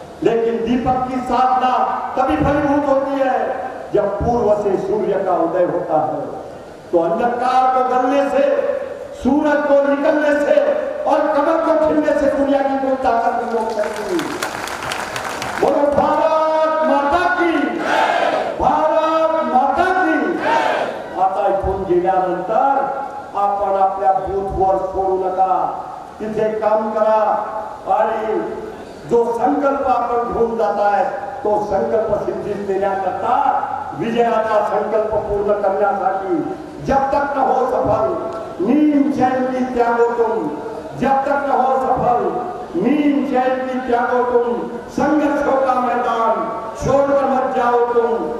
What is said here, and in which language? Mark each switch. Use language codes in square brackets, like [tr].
[hi] लेकिन दीपक की साधना तभी फलीभूत होती है जब पूर्व से सूर्य का उदय होता है। तो अंधकार को गलने से, सूरज को निकलने से और कमल को खिलने से दुनिया की कोई ताकत नहीं रोक सकती। बोलो भारत माता की, भारत माता की। [mr] आता इथून गेल्यानंतर आपण आपल्या बूथवर सोडू नका, तिथे काम करा। आणि जो संकल्प आपण घेऊन जाता है तो संकल्प सिद्धीस नेण्याकरता विजयाचा संकल्प पूर्ण करण्यासाठी [hi] जब तक न हो सफल नीम चैन की त्यागो तुम, जब तक न हो सफल नीम चैन की त्यागो तुम, संघर्षों का मैदान छोड़कर मत जाओ तुम।